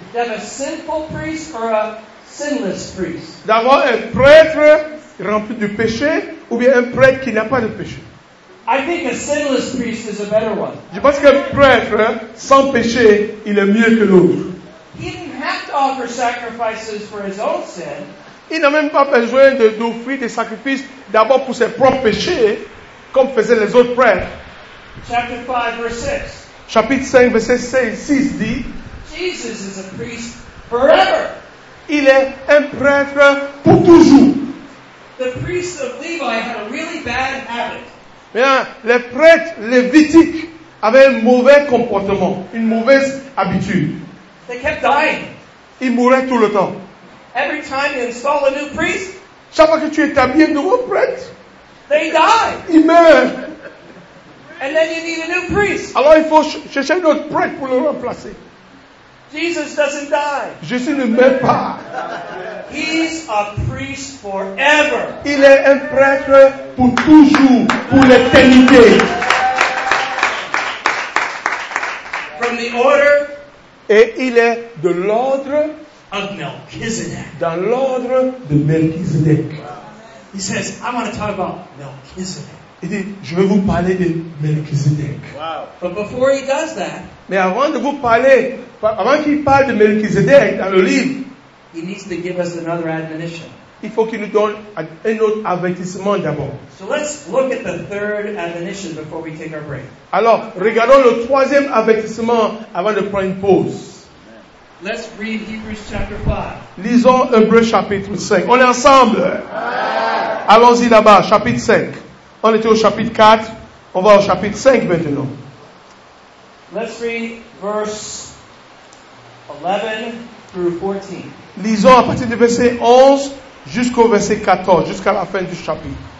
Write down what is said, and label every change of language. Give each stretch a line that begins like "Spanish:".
English: To have a sinful priest or a sinless priest?
French: D'avoir un prêtre rempli du péché ou bien un prêtre qui n'a pas de péché?
English: I think a sinless priest is a better one.
French: Je pense qu'un prêtre sans péché, il est mieux que l'autre.
English: He didn't have to offer sacrifices for his own sin.
French: Il n'a même pas besoin d'offrir des sacrifices d'abord pour ses propres péchés, comme faisaient les autres prêtres.
English: Chapter 5, verse 6.
French: Chapitre 5, verset 6 dit,
English: Jesus is a priest forever.
French: Il est un prêtre pour toujours.
English: The priest of Levi had a really bad habit.
French: Bien, les prêtres lévitiques avaient un mauvais comportement, une mauvaise habitude.
English: They kept dying.
French: Ils mouraient tout le temps.
English: Every time you install a new priest,
French: chaque fois que tu établis un nouveau prêtre,
English: they die.
French: Ils meurent.
English: And then you need a new priest.
French: Alors il faut chercher un autre prêtre pour le remplacer.
English: Jesus doesn't die.
French: Jésus ne meurt pas.
English: He's a priest forever.
French: Il est un prêtre pour toujours, pour l'éternité.
English: From the order.
French: Et il est de l'ordre.
English: Of Melchizedek.
French: Dans l'ordre de Melchizedek.
English: He says, I want to talk about Melchizedek.
French: Il dit, je vais vous parler de Melchizedek.
English: Wow. But before he does that,
French: mais avant de vous parler, avant qu'il parle de Melchizedek dans le livre,
English: he needs to give us another admonition.
French: Il faut qu'il nous donne un autre avertissement d'abord.
English: So let's look at the third admonition before we take our break.
French: Alors, regardons le troisième avertissement avant de prendre une pause.
English: Let's read Hebrews chapter 5.
French: Lisons Hébreux chapitre 5. On est ensemble. Ah. Allons-y là-bas, chapitre 5. On était au chapitre 4, on va au chapitre 5 maintenant.
English: Let's read verse 11 through 14.
French: Lisons à partir du verset 11 jusqu'au verset 14, jusqu'à la fin du chapitre.